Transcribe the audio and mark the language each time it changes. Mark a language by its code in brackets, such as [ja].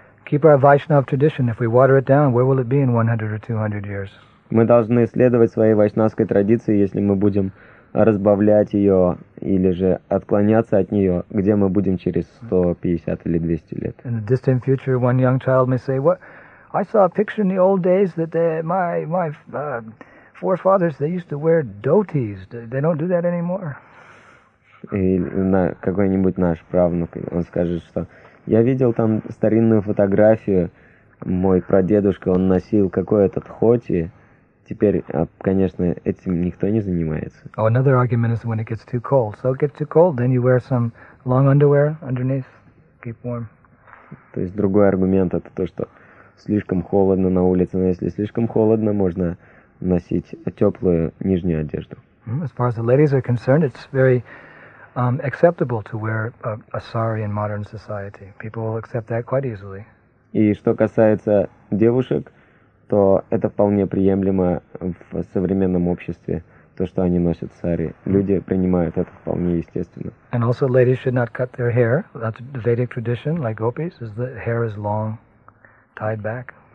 [en] Keep our Vaishnav tradition. If we water it down, where will it be in 100 or 200 years? [ru] Мы должны следовать своей вайшнавской традиции, если мы будем разбавлять ее или же отклоняться от нее, где мы будем через 150 или 200 лет. [en] In the distant future, one young child may say, "What? I saw a picture in the old days that my forefathers they used to wear dhotis. They don't do that anymore." [ru] Или на какой-нибудь наш правнук, он скажет, что я видел там старинную фотографию, мой прадедушка, он носил какой-то тхоти. Теперь, конечно, этим никто не занимается. [en] Oh, another argument is when it gets too cold. So it gets too cold, then you wear some long underwear underneath, keep warm. [ru] То есть другой аргумент — это то, что слишком холодно на улице. Но если слишком холодно, можно носить теплую нижнюю одежду. [en] As far as the ladies are concerned, it's very acceptable to wear a sari in modern society. People will accept that quite easily. [ru] И что касается девушек, то это вполне приемлемо в современном обществе, то, что они носят сари. Люди принимают это вполне естественно. [en] And also ladies should not cut their hair. That's the Vedic tradition, like gopis, is the hair is long, tied back.